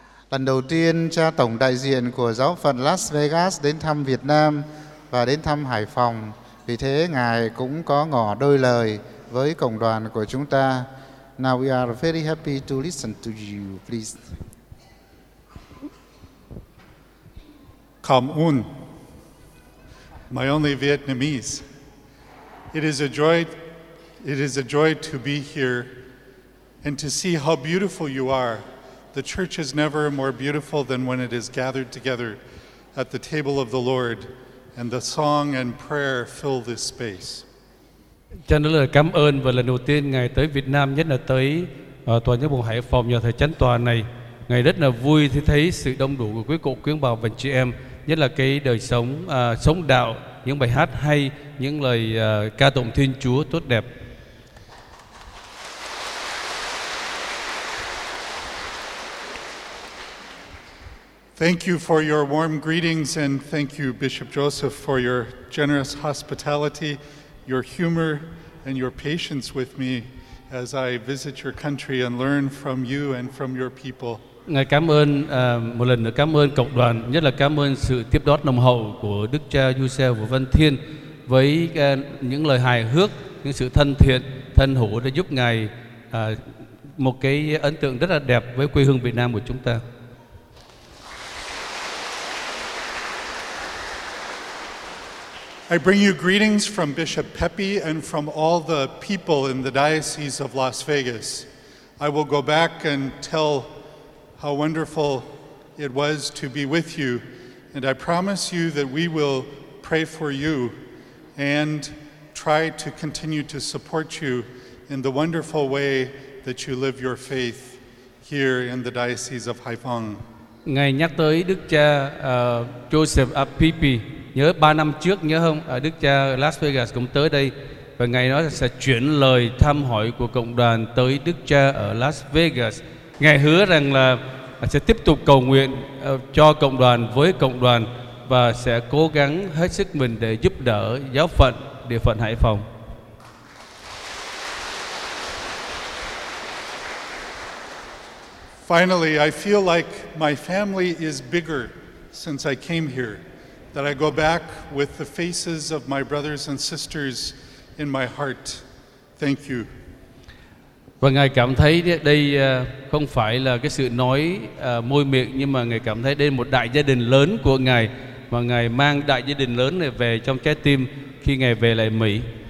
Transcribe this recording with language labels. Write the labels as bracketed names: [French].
[Vietnamese] Lần đầu tiên, cha tổng đại diện của giáo phận Las Vegas đến thăm Việt Nam và đến thăm Hải Phòng. Vì thế, Ngài cũng có ngỏ đôi lời với Cộng đoàn của chúng ta. [English] Now we are very happy to listen to you, please. [Vietnamese] Cảm ơn. [English] My only Vietnamese. It is a joy to be here and to see how beautiful you are. The church is never more beautiful than when it is gathered together at the table of the Lord, and the song and prayer fill this space. [Vietnamese] Cho nên là cảm ơn và lần đầu tiên Ngài tới Việt Nam, nhất là tới tòa giáo phận Hải Phòng, nhà thờ chánh tòa này. Ngài rất là vui khi thấy sự đông đủ của quý cụ, quý ông bà và chị em, nhất là cái đời sống sống đạo, những bài hát hay, những lời ca tụng Thiên Chúa tốt đẹp. [English] Thank you for your warm greetings, and thank you, Bishop Joseph, for your generous hospitality, your humor, and your patience with me as I visit your country and learn from you and from your people. [Vietnamese] Ngài cảm ơn một lần nữa, cảm ơn cộng đoàn, nhất là cảm ơn sự tiếp đón nồng hậu của Đức Cha Giuse và Văn Thiên với những lời hài hước, những sự thân thiện, thân hữu đã giúp Ngài một cái ấn tượng rất là đẹp với quê hương Việt Nam của chúng ta. [English] I bring you greetings from Bishop Pepe and from all the people in the Diocese of Las Vegas. I will go back and tell how wonderful it was to be with you, and I promise you that we will pray for you and try to continue to support you in the wonderful way that you live your faith here in the Diocese of Haiphong. [Vietnamese] Ngài nhắc tới Đức Cha Joseph Apipi, nhớ 3 năm trước, nhớ không? Đức Cha Las Vegas cũng tới đây, và Ngài nói sẽ chuyển lời thăm hỏi của cộng đoàn tới Đức Cha ở Las Vegas. Ngài hứa rằng là sẽ tiếp tục cầu nguyện cho cộng đoàn, với cộng đoàn, và sẽ cố gắng hết sức mình để giúp đỡ giáo phận, địa phận Hải Phòng. [English] Finally, I feel like my family is bigger since I came here, that I go back with the faces of my brothers and sisters in my heart. Thank you. [Vietnamese] Và Ngài cảm thấy đây không phải là cái sự nói môi miệng, nhưng mà Ngài cảm thấy đây là một đại gia đình lớn của Ngài, và Ngài mang đại gia đình lớn này về trong trái tim khi Ngài về lại Mỹ.